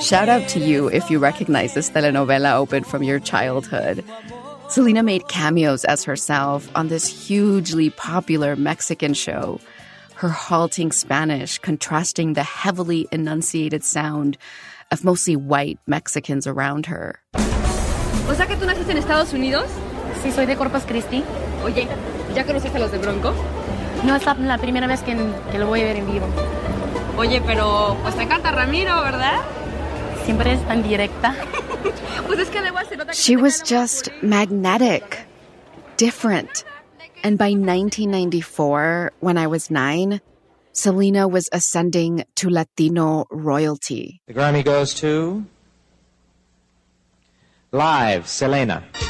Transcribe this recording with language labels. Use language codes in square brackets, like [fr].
[en] Shout out to you if you recognize this telenovela open from your childhood. Selena made cameos as herself on this hugely popular Mexican show, her halting Spanish contrasting the heavily enunciated sound of mostly white Mexicans around her. [es] O sea que tú naciste en Estados Unidos? Sí, soy de Corpus Christi. Oye, ¿ya conociste a los de Bronco? No, es la primera vez que lo voy a ver en vivo. Oye, pero pues te encanta Ramiro, ¿verdad? Siempre es tan directa. [en] She was just magnetic, different. And by 1994, when I was 9, Selena was ascending to Latino royalty. The Grammy goes to Live Selena.